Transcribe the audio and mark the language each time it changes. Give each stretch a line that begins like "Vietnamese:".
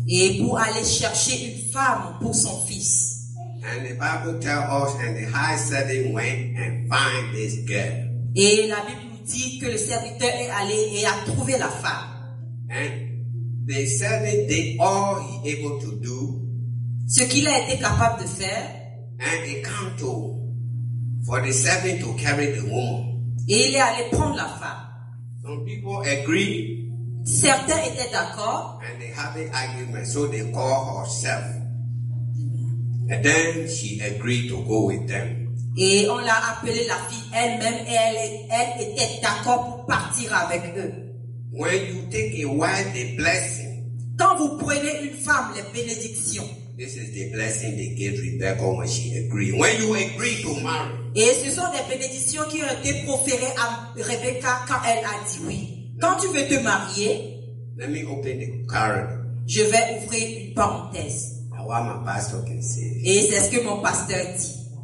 French: Et pour aller chercher une femme pour son fils.
English: And the Bible tells us, and the high servant went and find this girl.
French: Et la Bible nous dit que le serviteur est allé et a trouvé la femme.
English: And the servant did all he able to do.
French: Ce qu'il a été capable de faire.
English: And he came to for the servant to carry the woman.
French: Et il est allé prendre la femme.
English: Some people agree.
French: Certains étaient d'accord.
English: And they have an argument, so they call herself. And then she agreed to go with them.
French: Et on l'a appelée la fille elle-même et elle était d'accord pour partir avec eux.
English: When you take a wife, the blessing.
French: Quand vous prenez une femme, les bénédictions.
English: This is the blessing they gave Rebecca when she agreed. When you agree to marry.
French: Et ce sont des bénédictions qui ont été proférées à Rebecca quand elle a dit oui. Quand tu veux te marier.
English: Let me open the card.
French: Je vais ouvrir une parenthèse.
English: What my pastor can say.
French: Et c'est ce que mon pasteur dit.